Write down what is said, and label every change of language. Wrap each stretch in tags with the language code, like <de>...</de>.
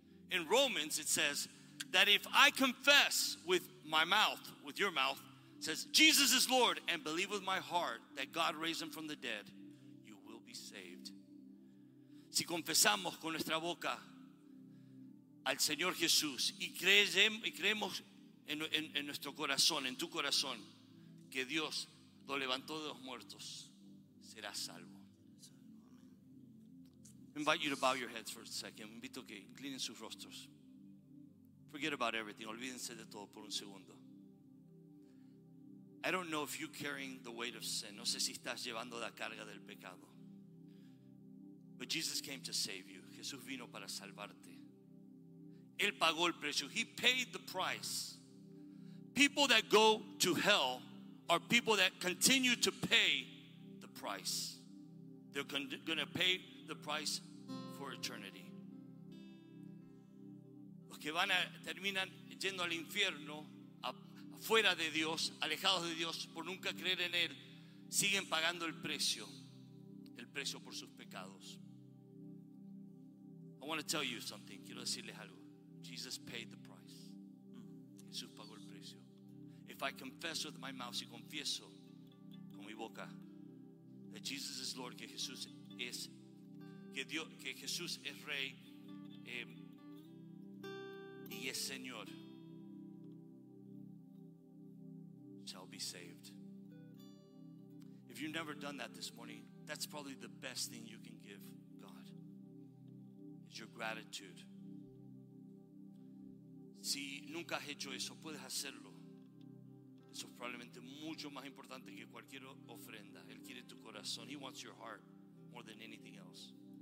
<en>In Romans, it says that if I confess with my mouth, with your mouth, it says, Jesus is Lord, and believe with my heart that God raised him from the dead, you will be saved.</en> <es>Si confesamos con nuestra boca al Señor Jesús y creemos en nuestro corazón, en tu corazón, que Dios lo levantó de los muertos, serás salvo.</es> <en>I invite you to bow your heads for a second.</en> <es>Invito que inclinen sus rostros.</es> <en>Forget about everything.</en> <es>Olvídense de todo por un segundo.</es> <en>I don't know if you're carrying the weight of sin.</en> <es>No sé si estás llevando la carga del pecado.</es> <en>But Jesus came to save you.</en> <es>Jesús vino para salvarte. Él pagó el precio.</es> <en>He paid the price. People that go to hell are people that continue to pay price. They're going to pay the price for eternity.</en> <es>Los que terminan yendo al infierno, afuera de Dios, alejados de Dios, por nunca creer en Él, siguen pagando el precio por sus pecados.</es> <en>I want to tell you something.</en> <es>Quiero decirles algo.</es> <en>Jesus paid the price.</en> <es>Jesús pagó el precio.</es> <en>If I confess with my mouth,</en> <es>si confieso con mi boca,</es> <en>that Jesus is Lord,</en> <es>que Jesús es, que Dios, que Jesús es Rey, y es Señor,</es> <en>shall be saved. If you've never done that this morning, that's probably the best thing you can give God, is your gratitude.</en> <es>Si nunca has hecho eso, puedes hacerlo. Eso es probablemente mucho más importante que cualquier ofrenda. Él quiere tu corazón.</es> <en>He wants your heart more than anything else.</en>